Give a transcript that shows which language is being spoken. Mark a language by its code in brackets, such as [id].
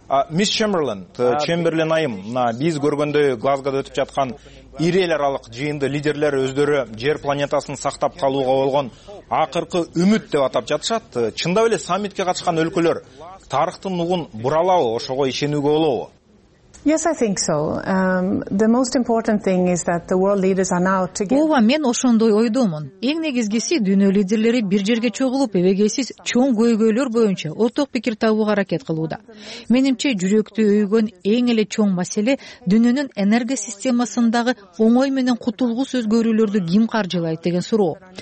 [ky] Мисс Чемберлен, Чемберлен айым, биз көргөндөй Глазгодо өтүп жаткан ири эл аралык жыйынды лидерлер өздөрү жер планетасын сактап калууга болгон акыркы үмүт деп атап жатышат. Чындап эле саммитке катышкан өлкөлөр тарыхтын угун буралабы, ошого ишенүүгө болобу? [en] Yes, I think so. The most important thing is that the world leaders are now together. [ky] Ооба, мен ошондой ойдомун. Эң негизгиси дүйнө лидерлери бир жерге чогулуп, эбегейсиз чоң көйгөйлөр боюнча орток пикир табууга аракет кылууда. Менимче, жүрөктү өйгөн эң эле чоң маселе дүйнөнүн энергосистемасындагы оңой менен кутулгус өзгөрүүлөрдү ким каржылайт деген суроо.